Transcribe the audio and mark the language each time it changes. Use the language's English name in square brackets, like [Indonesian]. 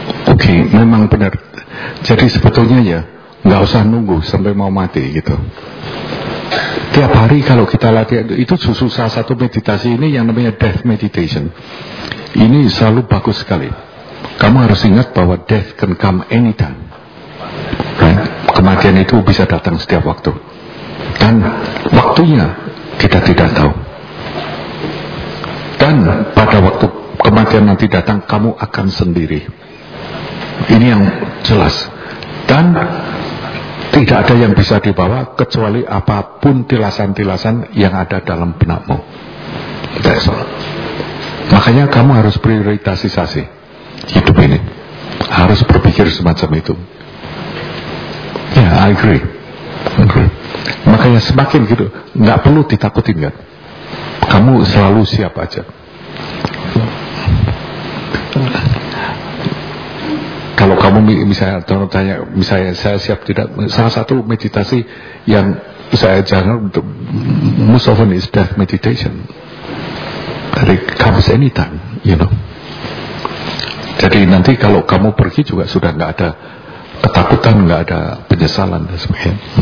[Indonesian] Oke, memang benar, jadi sebetulnya ya gak usah nunggu sampai mau mati gitu. Tiap hari kalau kita latihan itu susah, satu meditasi ini yang namanya death meditation ini selalu bagus sekali. Kamu harus ingat bahwa [English] death can come anytime, right? [Indonesian] Kematian itu bisa datang setiap waktu dan waktunya kita tidak tahu, dan pada waktu kematian nanti datang kamu akan sendiri, ini yang jelas. Dan tidak ada yang bisa dibawa kecuali apapun tilasan-tilasan yang ada dalam benakmu. [English] That's all. [Indonesian] Makanya kamu harus prioritasisasi hidup ini. Harus berpikir semacam itu. [English] Yeah, I agree. Okay. [Indonesian] Makanya semakin gitu, gak perlu ditakutin kan. Kamu selalu siap aja. Kalau kamu misalnya tanya, misalnya saya siap tidak, salah satu meditasi yang saya jangan untuk [English] most often is death meditation. [Indonesian] Jadi [English] comes anytime, you know. [Indonesian] Jadi nanti kalau kamu pergi juga sudah enggak ada ketakutan, enggak ada penyesalan dan sebagainya.